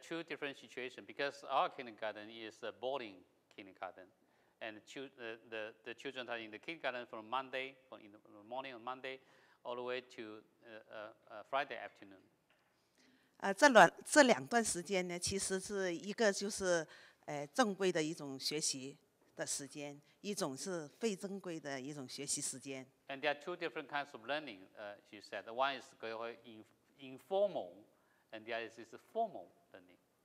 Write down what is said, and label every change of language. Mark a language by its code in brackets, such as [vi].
[en] two different situations, because our kindergarten is a boarding kindergarten, and the children are in the kindergarten from Monday, in the morning on Monday, all the way to Friday afternoon. [zh] 这两段时间呢，其实是一个就是正规的一种学习的时间，一种是非正规的一种学习时间。 [en] And there are two different kinds of learning, she said. One is informal, and the other is formal learning.